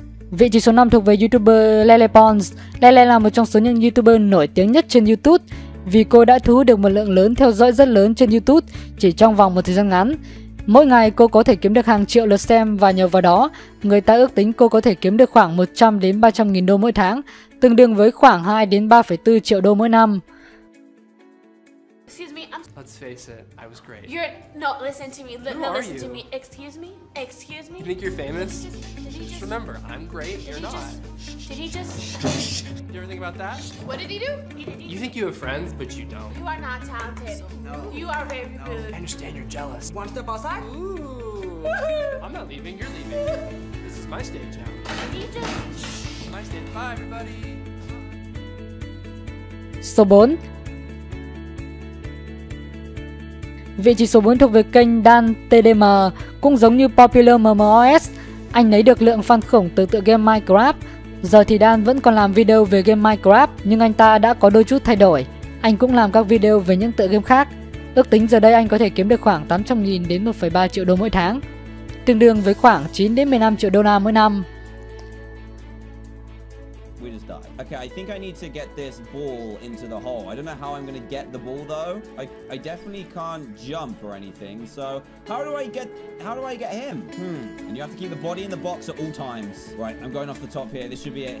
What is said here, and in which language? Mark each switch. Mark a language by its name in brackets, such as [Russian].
[Vietnamese] Vị trí số 5 thuộc về YouTuber Lele Pons. Lele là một trong số những YouTuber nổi tiếng nhất trên YouTube vì cô đã thu hút được một lượng lớn theo dõi rất lớn trên YouTube chỉ trong vòng một thời gian ngắn. Mỗi ngày cô có thể kiếm được hàng triệu lượt xem và nhờ vào đó, người ta ước tính cô có thể kiếm được khoảng 100 đến 300 nghìn đô mỗi tháng, tương đương với khoảng 2 đến 3,4 triệu đô mỗi năm. [English] Excuse me, Let's face it, I was great. You're, no, listen to me, listen to me, excuse me? You think you're famous? Just remember, I'm great, you're not. Did he just you ever think about that? What did he do? Did he you think you have friends, but you don't. You are not talented. No. You are very good. I understand you're jealous. Want to step outside? Ooh. I'm not leaving, you're leaving. This is my stage now. Did he just... My stage, bye everybody. So bon. [Vietnamese] Vị trí số 4 thuộc về kênh Dan TDM, cũng giống như Popular MMOS, anh lấy được lượng fan khủng từ tựa game Minecraft. Giờ thì Dan vẫn còn làm video về game Minecraft, nhưng anh ta đã có đôi chút thay đổi. Anh cũng làm các video về những tựa game khác. Ước tính giờ đây anh có thể kiếm được khoảng 800.000 đến 1,3 triệu đô mỗi tháng, tương đương với khoảng 9 đến 15 triệu đô la mỗi năm. [English] Okay, I think I need to get this ball into the hole. I don't know how I'm gonna get the ball though. I definitely can't jump or anything. So how do I get him? And you have to keep the body in the box at all times. Right, I'm going off the top here. This should be it.